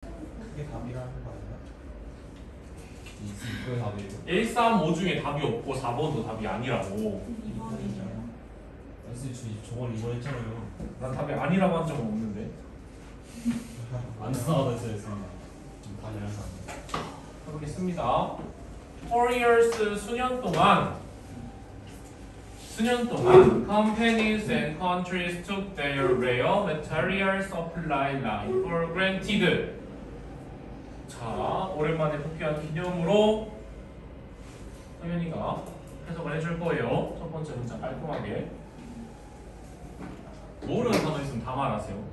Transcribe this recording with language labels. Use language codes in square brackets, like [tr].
[ko] 크게 답이 나는 거 아닌가? 1, 3, 5 중에 답이 없고 4번도 답이 아니라고. 2번이잖아. 아니, 저번 2번 했잖아요. 난 답이 아니라고 한 적은 없는데. 안 나와도 있어요, 선생님. 답이 아니라고 한 적. 해보겠습니다. [en] 4 years [ko] 수년 동안 [en] companies and countries took their rare material supply line for granted. [ko] 자, 오랜만에 복귀한 기념으로 서현이가 해석을 해줄 거예요. 첫 번째 문장 깔끔하게. 모르는 단어 있으면 다 말하세요.